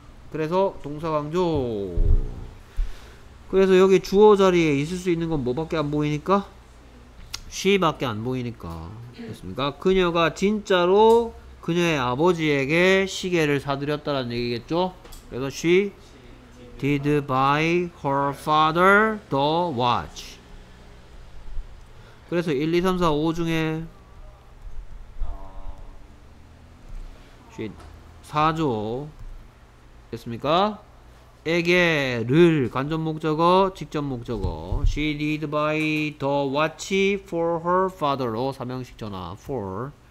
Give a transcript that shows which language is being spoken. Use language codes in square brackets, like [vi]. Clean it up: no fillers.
[ko] 그래서 동사 강조. 그래서 여기 주어 자리에 있을 수 있는 건 뭐밖에 안 보이니까? She밖에 안 보이니까. 됐습니까? 그녀가 진짜로 그녀의 아버지에게 시계를 사드렸다는 얘기겠죠? 그래서 [en] she did buy her father the watch. [ko] 그래서 1, 2, 3, 4, 5 중에 4조 됐습니까? 에게를 간접 목적어, 직접 목적어. [en] She did buy the watch for her father로 [ko] 삼형식 전화 [en] for.